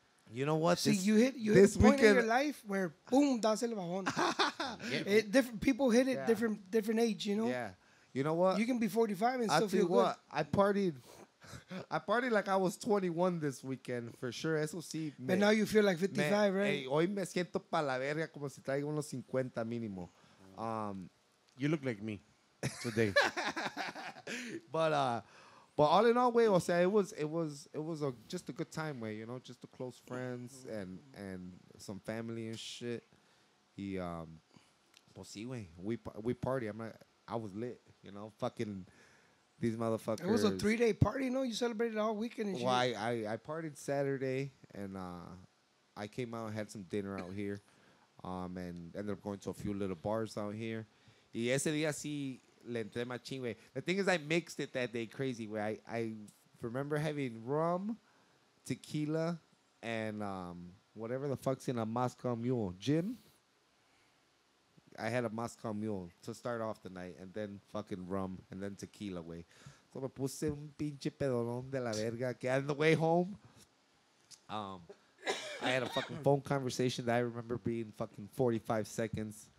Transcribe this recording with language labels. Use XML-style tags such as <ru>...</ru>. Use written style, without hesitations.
<en>You know what? See, you hit this point in your life where boom,</en> <es>das el bajón.</es> <en>Different people hit it different age. You know? Yeah. You know what? You can be 45 and still feel good. I partied like I was 21 this weekend, for sure.</en> <es>Eso sí.</es> <en>But now you feel like 55, right?</en> <es>Hey, hoy me siento pa la verga como si traigo unos 50 mínimo.</es> <en>You look like me today. but all in all, way,</en> <es>o sea,</es> <en>it was just a good time, way. You know, just the close friends and some family and shit.</en> <es>Pues sí,</es> <en>way. We party. I was lit. You know, fucking. These motherfuckers. It was a 3-day party, no? You celebrated all weekend and shit. Well, I partied Saturday, and I came out and had some dinner out here, and ended up going to a few little bars out here.</en> <es>Y ese día sí le entré machín, güey.</es> <en>The thing is, I mixed it that day crazy, güey. I remember having rum, tequila, and whatever the fuck's in a Moscow Mule. Gin? I had a Moscow Mule to start off the night, and then fucking rum, and then tequila, güey. So</en> <es>me puse un pinche pedolón de la verga. Que</es> <en>on the way home, I had a fucking phone conversation that I remember being fucking 45 seconds.</en>